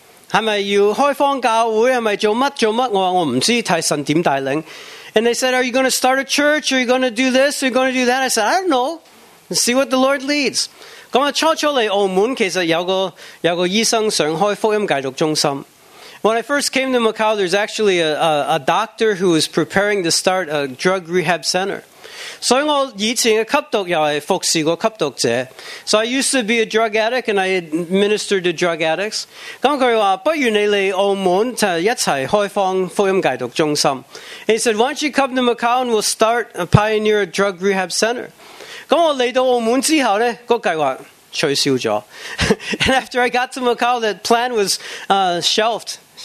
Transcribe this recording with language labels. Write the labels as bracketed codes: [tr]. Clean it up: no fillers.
[zh] 是不是要开放教会？是不是做什么？我说我不知道，看神怎么带领。 [en] And they said, "Are you going to start a church? Are you going to do this? Are you going to do that?" I said, "I don't know. Let's see what the Lord leads." [zh] 初初来澳门，其实有个医生想开福音戒毒中心。 [en] When I first came to Macau, there's actually a doctor who was preparing to start a drug rehab center. [zh] 所以我以前的吸毒又是服侍过吸毒者. [en] So I used to be a drug addict and I administered to drug addicts. [zh] 他说不如你来澳门一起开放福音戒毒中心. [en] He said, "Why don't you come to Macau and we'll start a pioneer drug rehab center?" [zh] 我来到澳门之后呢，那个计划取消了. [en] And after I got to Macau, that plan was shelved.